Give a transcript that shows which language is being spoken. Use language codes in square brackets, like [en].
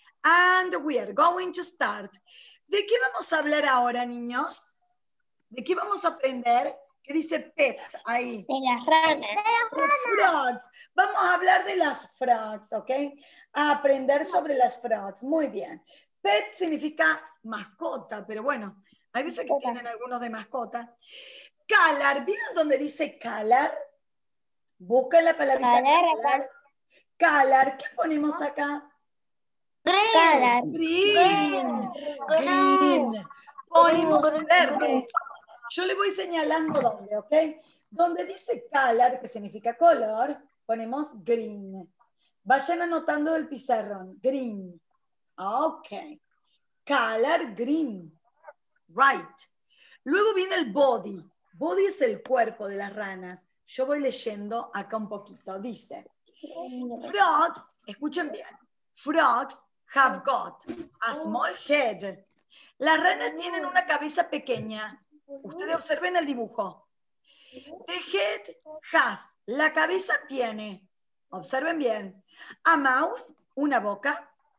[en] And we are going to start. [es] ¿De qué vamos a hablar ahora, niños? ¿De qué vamos a aprender? ¿Qué dice pet ahí? De las ranas. De las ranas. [en] Frogs. [es] Vamos a hablar de las frogs, ¿ok? A aprender sobre las frogs. Muy bien. Pet significa mascota, pero bueno, hay veces que tienen algunos de mascota. Color. ¿Vieron donde dice color? Busca la palabrita color. Color. ¿Qué ponemos acá? [en] Green. Color. Green. Green. [es] Green. Ponemos verde. Yo le voy señalando dónde, ¿ok? Donde dice color, que significa color, ponemos green. Vayan anotando del pizarrón. [en] Green. Ok. Color, green. Right. [es] Luego viene el body. Body es el cuerpo de las ranas. Yo voy leyendo acá un poquito. Dice, frogs, escuchen bien. [en] Frogs have got a small head. [es] Las ranas tienen una cabeza pequeña. Ustedes observen el dibujo. [en] The head has, [es] la cabeza tiene, observen bien, [en] a mouth, [es] una boca.